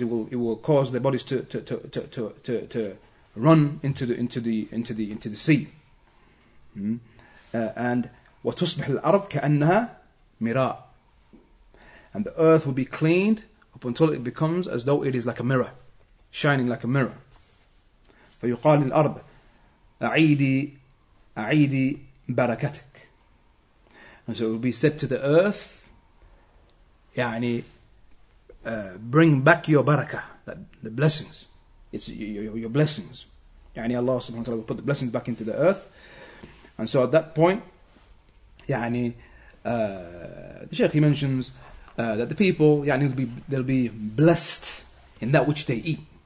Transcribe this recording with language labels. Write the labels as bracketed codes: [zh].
[en] It will cause their bodies to run into the sea. [ar] And وتصبح الأرض كأنها مراء. [en] And the earth will be cleaned up until it becomes as though it is like a mirror, shining like a mirror. [ar] فيقال للأرض أعيدي بركتك. [en] And so it will be said to the earth, bring back your barakah, the blessings. It's your blessings. يعني Allah subhanahu wa ta'ala will put the blessings back into the earth. And so at that point, the Shaykh, he mentions that the people, they'll be blessed in that which they eat.